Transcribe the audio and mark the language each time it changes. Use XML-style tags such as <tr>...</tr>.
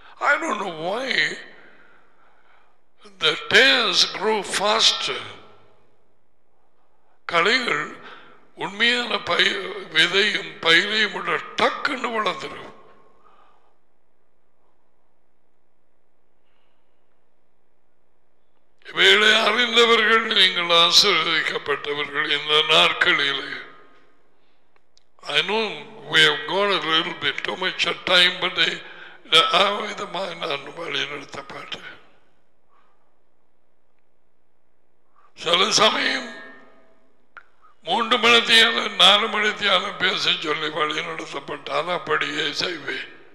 <en>I don't know why the tears grow faster.</en> <ta>களைகள் உண்மையான விதையும் பயிரையும் டக்குன்னு வளர்ந்துடும். இவைகளை அறிந்தவர்கள் நீங்கள் ஆசீர்வதிக்கப்பட்டவர்கள் இந்த நாட்களில்.</ta> <en>I know we have gone a little bit too much of time, but</en> <ta>ஆவிதமாக நான் வழிநடத்தப்பட்டேன். சில சமயம் 3 மணித்தியாலும் 4 மணித்தியாலும் பேச சொல்லி வழிநடத்தப்பட்டால் அப்படியே செய்வேன்.</ta>